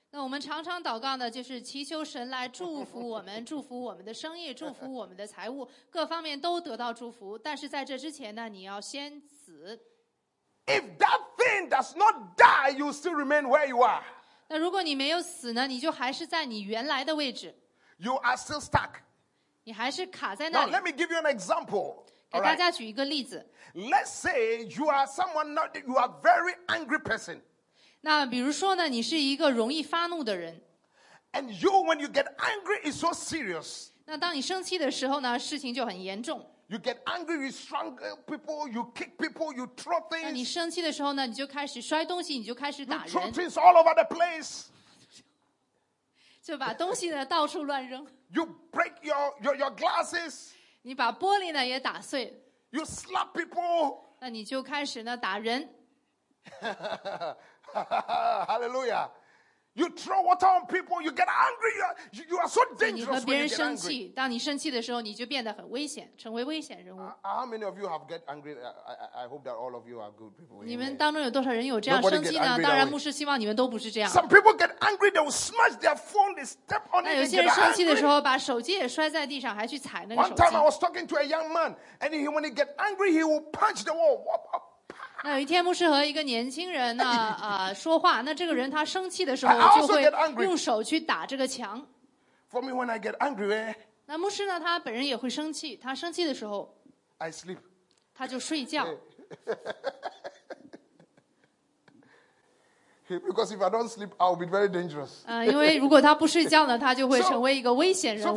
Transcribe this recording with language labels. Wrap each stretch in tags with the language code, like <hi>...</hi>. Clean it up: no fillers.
<zh>那我们常常祷告呢，就是祈求神来祝福我们，祝福我们的生意，祝福我们的财务，各方面都得到祝福。但是在这之前呢，你要先死。</zh> <en>If that thing does not die, you still remain where you are.</en> <zh>那如果你没有死呢，你就还是在你原来的位置。</zh> <en>You are still stuck.</en> <zh>你还是卡在那里。</zh> <en>Now let me give you an example.</en> <zh>给大家举一个例子。</zh> <en>Let's say you are someone not, you are very angry person.</en> <zh>那比如说呢，你是一个容易发怒的人。</zh> <en>And you, when you get angry, it's so serious.</en> <zh>那当你生气的时候呢，事情就很严重。</zh> <en>You get angry, you strangle people, you kick people, you throw things.</en> <zh>那你生气的时候呢，你就开始摔东西，你就开始打人。</zh> <en>You throw things all over the place.</en> <zh>就把东西呢到处乱扔。</zh> <en>You break your glasses.</en> <zh>你把玻璃呢也打碎。</zh> <en>You slap people.</en> <zh>那你就开始呢打人。</zh> <en>Hallelujah. You throw water on people, you get angry, you are so dangerous when you get angry.</en> <zh>生气，当你生气的时候，你就变得很危险，成为危险人物。</zh> <en>How many of you have get angry? I hope that all of you are good people.</en> <zh>你们当中有多少人有这样生气呢？当然，牧师希望你们都不是这样。</zh> <en>Some people get angry, they will smash their phone, they step on it and get angry.</en> <zh>有些人生气的时候，把手机也摔在地上，还去踩那个手机。</zh> <en>One time I was talking to a young man, and he, when he get angry, he will punch the wall. What up?</en> <zh>那有一天牧师和一个年轻人呢说话，那这个人他生气的时候就会用手去打这个墙。</zh> <en>For me when I get angry,</en> <zh>那牧师呢他本人也会生气，他生气的时候</zh> <en>I sleep.</en> <zh>他就睡觉。</zh> <en>Because if I don't sleep, I will be very dangerous.</en> <zh>因为如果他不睡觉呢，他就会成为一个危险人物。</zh>